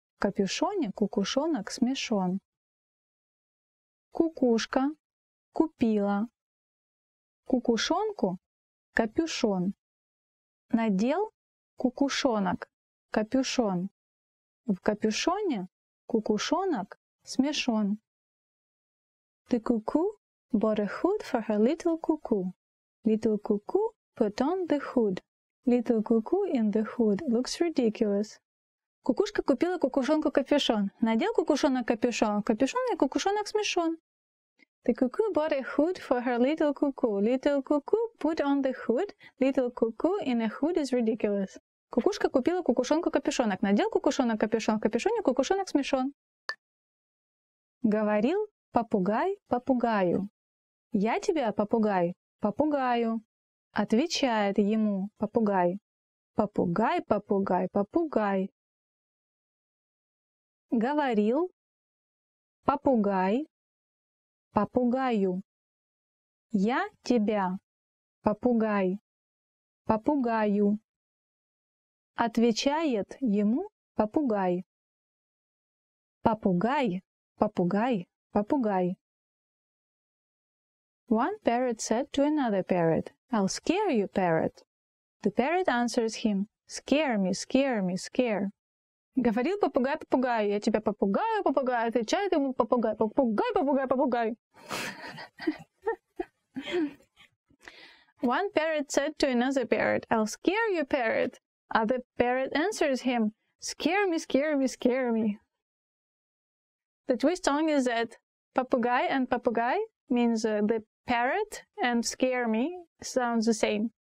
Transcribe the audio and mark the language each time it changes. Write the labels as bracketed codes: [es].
[ru] В капюшоне кукушонок смешон. Кукушка купила кукушонку капюшон. Надел кукушонок капюшон. В капюшоне кукушонок смешон. [en] The cuckoo bought a hood for her little cuckoo. Little cuckoo put on the hood. Little cuckoo in the hood looks ridiculous. [ru] Кукушка купила кукушонку капюшон. Надел кукушонок капюшон. Капюшон и кукушонок смешон. [en] The cuckoo bought a hood for her little cuckoo. Little cuckoo put on the hood. Little cuckoo in a hood is ridiculous. [ru] Кукушка купила кукушонку капюшонок. Надел кукушонок капюшон. Капюшон и кукушонок смешон. Говорил попугай попугаю. Я тебя попугай попугаю. Отвечает ему попугай. Попугай, попугай, попугай. Говорил попугай попугаю. Я тебя попугай попугаю. Отвечает ему попугай. Попугай, попугай, попугай. [en] One parrot said to another parrot, I'll scare you, parrot. The parrot answers him, scare me, scare me, scare. [ru] Говорил попугай попугаю, я тебя попугаю попугаю, отвечает ему попугай, попугай, попугай, попугай. [en] One parrot said to another parrot, I'll scare you, parrot. Other parrot answers him, scare me, scare me, scare me. The twist song is that papugai and papugai means the parrot and scare me sounds the same.